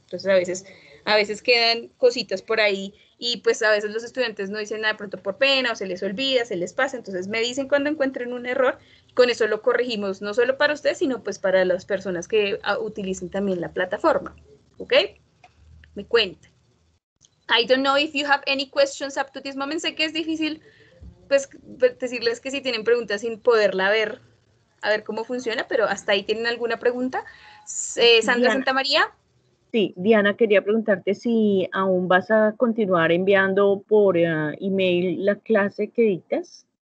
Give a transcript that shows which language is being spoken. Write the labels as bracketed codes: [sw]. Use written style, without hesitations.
[es] Entonces a veces quedan cositas por ahí y pues a veces los estudiantes no dicen nada, de pronto por pena o se les olvida, se les pasa. Entonces me dicen cuando encuentren un error. Con eso lo corregimos no solo para ustedes, sino pues para las personas que utilicen también la plataforma. ¿Ok? Me cuentan. [en] I don't know if you have any questions up to this moment. [es] Sé que es difícil pues decirles que si tienen preguntas sin poderla ver, a ver cómo funciona, pero hasta ahí tienen alguna pregunta. Sandra Diana, Santa María. Sí, Diana, quería preguntarte si aún vas a continuar enviando por email la clase que dictas.